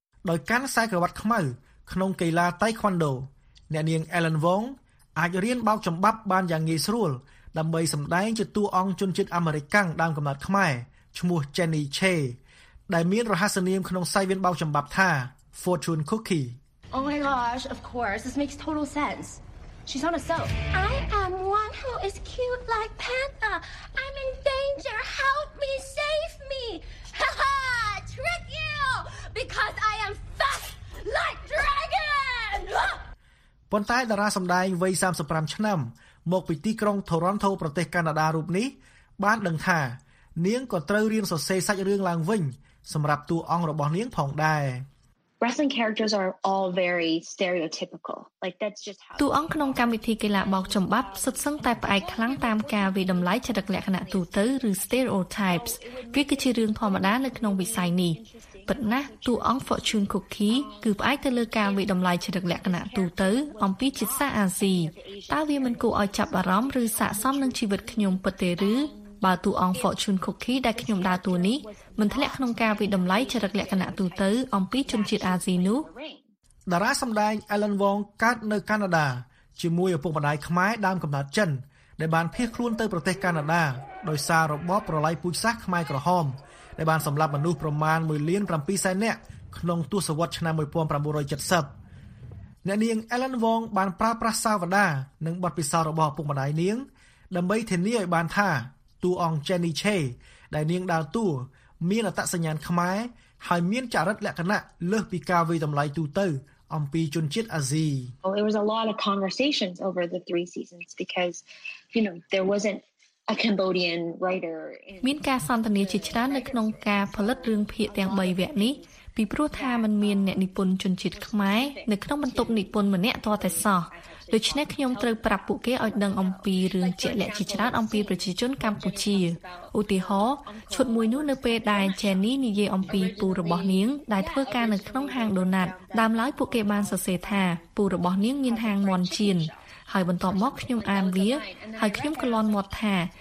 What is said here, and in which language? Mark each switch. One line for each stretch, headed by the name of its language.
Khmer: ដោយកាន់ខ្សែក្រវ៉ាត់ខ្មៅក្នុងកីឡាតៃខ្វាន់ដូអ្នកនាង Ellen Wong អាចរៀនបោកចំបាប់បានយ៉ាងងាយស្រួលដើម្បីសម្ដែងជាតួអង្គជនជាតិអាមេរិកាំងដើមកំណើតខ្មែរឈ្មោះ Jenny Che ដែលមានរហស្សនាមក្នុងសាយវៀនបោកចំបាប់ថា Fortune Cookie
English: Oh my gosh of course this makes total sense She's on a soap I am one who is cute like panther I'm in danger help me save me ha trick you because I am fast like dragon
Khmer: ប៉ុន្តែតារាសម្ដែងវ័យ35ឆ្នាំមកពីទីក្រុង Toronto ប្រទេសកាណាដារូបនេះបានដឹងថានាងក៏ត្រូវរៀនសរសេរសាច់រឿងឡើងវិញសម្រាប់តួអង្គរបស់នាងផងដែរ
English: Wrestling characters are all very stereotypical. Like that's just how
Khmer: តួអង្គក្នុងកម្មវិធីកីឡាបោកចំបាប់សុទ្ធសឹងតែផ្អែកខ្លាំងតាមការវាយតម្លៃចរិតលក្ខណៈទូទៅឬ stereotypes វាគឺជារឿងធម្មតានៅក្នុងវិស័យនេះប៉ុន្តែណាតួអង្គ Fortune Cookie គឺផ្អែកទៅលើការវាយតម្លៃចរិតលក្ខណៈទូទៅអំពីជាតិសាសន៍អាស៊ីតើវាមិនគួរឲ្យចាប់អារម្មណ៍ឬស័ក្តិសមនឹងជីវិតខ្ញុំពិតទេឬបាទតួអង្គ Fortune Cookie ដែលខ្ញុំដើរតួនេះមិនធ្លាក់ក្នុងការវិដំឡៃចរិតលក្ខណៈទូទៅអំពីជនជាតិអាស៊ីនោះ តារាសម្ដែង Ellen Wong កើតនៅកាណាដាជាមួយឪពុកម្ដាយខ្មែរដើមកំណើតចិនដែលបានភៀសខ្លួនទៅប្រទេសកាណាដាដោយសាររបបប្រល័យពូជសាសន៍ខ្មែរក្រហមដែលបានសម្លាប់មនុស្សប្រមាណ 1.7 លាននាក់ក្នុងទសវត្សរ៍ឆ្នាំ1970អ្នកនាង Ellen Wong បានប្រើប្រាស់សាវតានិងបទពិសោធន៍របស់ឪពុកម្ដាយនាងដើម្បីធានាឲ្យបានថា តួអង្គ Jenny Che ដែលនាងដើរតួមានអត្តសញ្ញាណខ្មែរហើយមានចរិតលក្ខណៈលើសពីការវិតម្លៃទូទៅអំពីជនជាតិអាស៊ី
English: Well, there was a lot of conversations over the 3 seasons because you know there wasn't a Cambodian writer
Khmer: មានការសន្ទនាជាច្រើននៅក្នុងការផលិតរឿងភាគទាំង3វគ្គនេះពីព្រោះថាมันមានអ្នកនិពន្ធជនជាតិខ្មែរនៅក្នុងបន្ទប់និពន្ធម្នាក់តរតែសោះដូច្នេះខ្ញុំត្រូវប្រាប់ពួកគេឲ្យដឹងអំពីរឿងជាក់លាក់ជាច្រើនអំពីប្រជាជនកម្ពុជា ឧទាហរណ៍ឈុតមួយនោះនៅពេលដែល Jenny និយាយអំពីពូរបស់នាងដែលធ្វើការនៅក្នុងហាងដូណាត់ដើមឡើយពួកគេបានសរសេរថាពូរបស់នាងមានហាងមន់ជៀនហើយបន្ទាប់មកខ្ញុំអានវាហើយខ្ញុំក៏លន់មាត់ថា